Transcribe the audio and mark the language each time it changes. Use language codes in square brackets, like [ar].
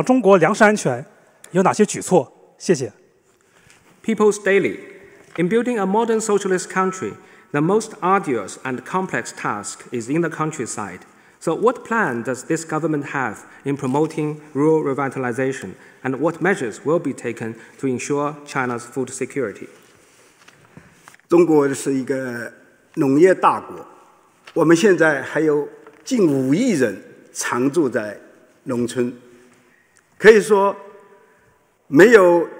[zh] 请继续提问。请中区第二排第三位男士提问。谢谢。谢谢。总理您好，我是人民日报记者。全面建设社会主义现代化国家最艰巨、最繁重的任务仍然在农村。请问总理，本届政府在推进乡村振兴上有哪些考虑？对保障中国粮食安全有哪些举措？谢谢。 [en] People's Daily. In building a modern socialist country, the most arduous and complex task is in the countryside. So what plan does this government have in promoting rural revitalization, and what measures will be taken to ensure China's food security? [zh] 中国是一个农业大国，我们现在还有近5亿人常住在农村，可以说没有